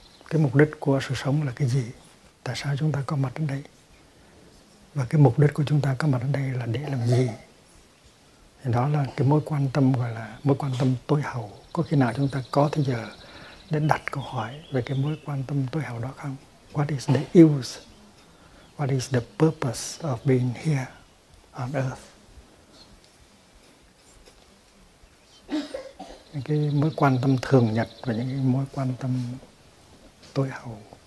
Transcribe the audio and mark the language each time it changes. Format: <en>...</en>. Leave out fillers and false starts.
<vi>Cái mục đích của sự sống là cái gì? Tại sao chúng ta có mặt ở đây? Và cái mục đích của chúng ta có mặt ở đây là để làm gì? Đó là cái mối quan tâm gọi là mối quan tâm tối hậu Có khi nào chúng ta có thời giờ để đặt câu hỏi về cái mối quan tâm tối hậu đó không?</vi> <en>What is the use? What is the purpose of being here on earth?</en> <vi>Những cái mối quan tâm thường nhật và những cái mối quan tâm tối hậu.</vi>